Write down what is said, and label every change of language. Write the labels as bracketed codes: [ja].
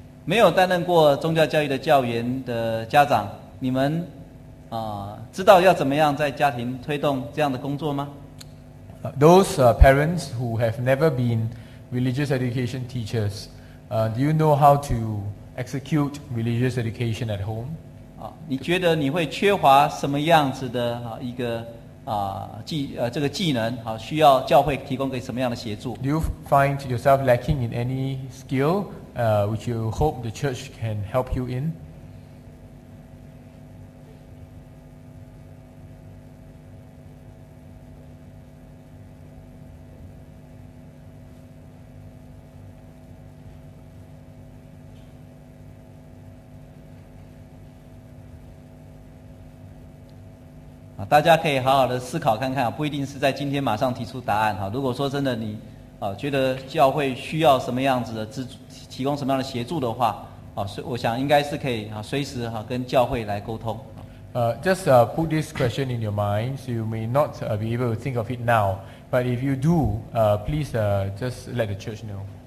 [zh] 没有担任过宗教教育的教员的家长，你们知道要怎么样在家庭推动这样的工作吗？ [en] Those parents who have never been religious education teachers, do you know how to execute religious education at home? [zh] 你觉得你会缺乏什么样子的一个这个技能？需要教会提供给什么样的协助？ [en] Do you find yourself lacking in any skill? Which you hope the church can help you in? [zh] 大家可以好好的思考看看，不一定是在今天马上提出答案。如果说真的你觉得教会需要什么样子的提供什么样的协助的话，我想应该是可以随时跟教会来沟通。 [en] Just put this question in your mind, so you may not be able to think of it now. But if you do, please just let the church know.